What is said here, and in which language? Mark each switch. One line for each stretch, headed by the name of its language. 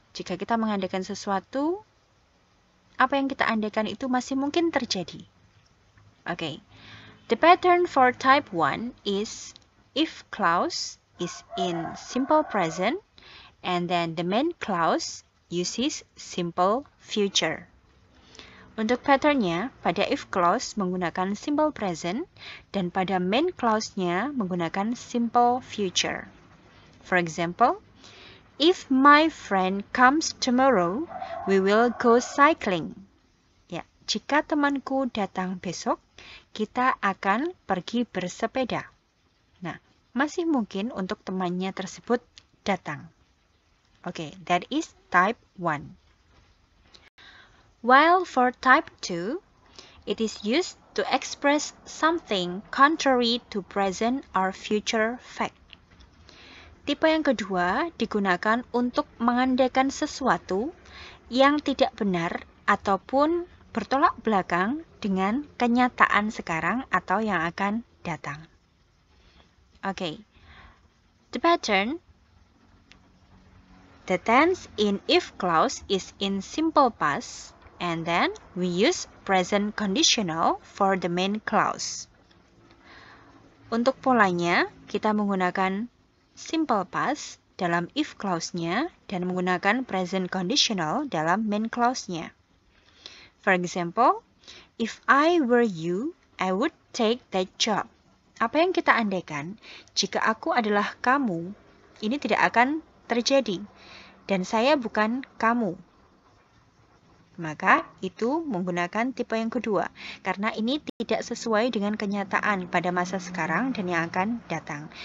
Indonesian: Jika kita mengandaikan sesuatu, apa yang kita andaikan itu masih mungkin terjadi.
English: Okay. The pattern for type 1 is if clause is in simple present and then the main clause uses simple future.
Indonesian: Untuk pattern-nya, pada if clause menggunakan simple present dan pada main clause-nya menggunakan simple future.
English: For example, if my friend comes tomorrow, we will go cycling.
Indonesian: Ya, jika temanku datang besok, kita akan pergi bersepeda. Nah, masih mungkin untuk temannya tersebut datang.
English: Okay, that is type 1. While for type 2, it is used to express something contrary to present or future fact.
Indonesian: Tipe yang kedua digunakan untuk mengandaikan sesuatu yang tidak benar ataupun bertolak belakang dengan kenyataan sekarang atau yang akan datang.
English: Okay. The pattern. The tense in if clause is in simple past, and then we use present conditional for the main clause.
Indonesian: Untuk polanya, kita menggunakan simple past dalam if clause-nya dan menggunakan present conditional dalam main clause-nya.
English: For example, if I were you, I would take that job.
Indonesian: Apa yang kita andaikan? Jika aku adalah kamu, ini tidak akan terjadi. Dan saya bukan kamu. Maka itu menggunakan tipe yang kedua. Karena ini tidak sesuai dengan kenyataan pada masa sekarang dan yang akan datang.